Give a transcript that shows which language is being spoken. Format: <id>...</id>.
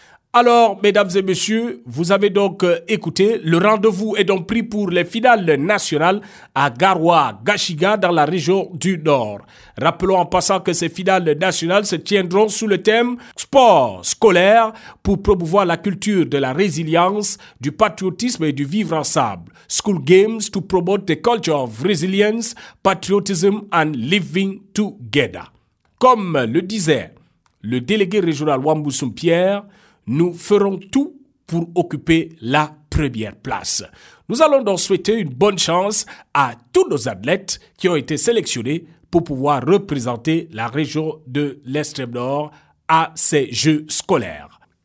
<fr>Alors, mesdames et messieurs, vous avez donc écouté, le rendez-vous est donc pris pour les finales nationales à Garoua, Gachiga, dans la région du Nord. Rappelons en passant que ces finales nationales se tiendront sous le thème « Sport scolaire pour promouvoir la culture de la résilience, du patriotisme et du vivre ensemble.</fr> <en>School Games to promote the culture of resilience, patriotism and living together ».</en> <fr>Comme le disait le délégué régional Wambusum Pierre, nous ferons tout pour occuper la première place. Nous allons donc souhaiter une bonne chance à tous nos athlètes qui ont été sélectionnés pour pouvoir représenter la région de l'Extrême Nord à ces Jeux scolaires.</fr>